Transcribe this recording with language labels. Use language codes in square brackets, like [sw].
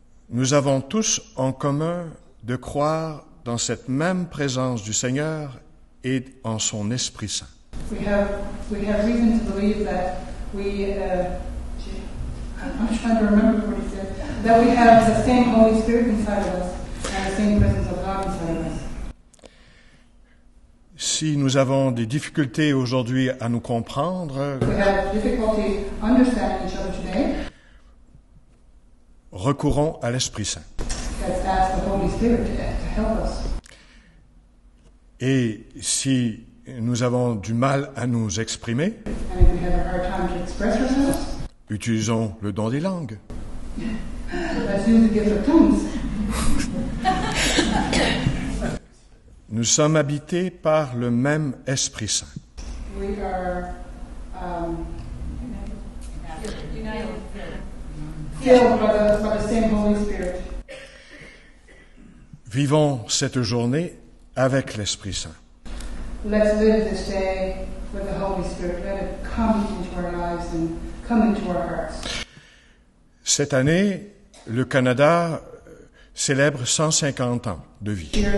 [fr] nous avons tous en commun de croire dans cette même présence du Seigneur et en son Esprit Saint. [en] We have reason to believe that we. I'm trying to remember what he said. that we have the same Holy Spirit inside of us and the same presence of God inside of us. [fr] Si nous avons des difficultés aujourd'hui à nous comprendre, [en] we have difficulty understanding each other today, [fr] recourons à l'Esprit Saint. [en] Let's ask the Holy Spirit to help us. [fr] Et si nous avons du mal à nous exprimer, [en] and if we have a hard time to express ourselves, [fr] utilisons le don des langues. [en] Let's use the gift of tongues. [fr] Nous sommes habités par le même Esprit Saint. [en] We are filled by the same Holy Spirit. [fr] Vivons cette journée avec l'Esprit Saint. [en] Let's live this day with the Holy Spirit. Let it come into our lives and come into our hearts. [fr] Cette année, le Canada célèbre 150 ans de vie.